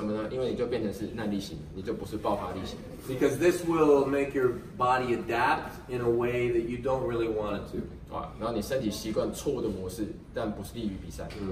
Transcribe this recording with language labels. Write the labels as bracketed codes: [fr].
[zh] 但是不要做一组30、50下的时候把自己弄到很过劳。为什么呢？因为你就变成是耐力型，你就不是爆发力型。 [en] Because this will make your body adapt in a way that you don't really want it to. [zh] 然后你身体习惯错误的模式，但不是利于比赛。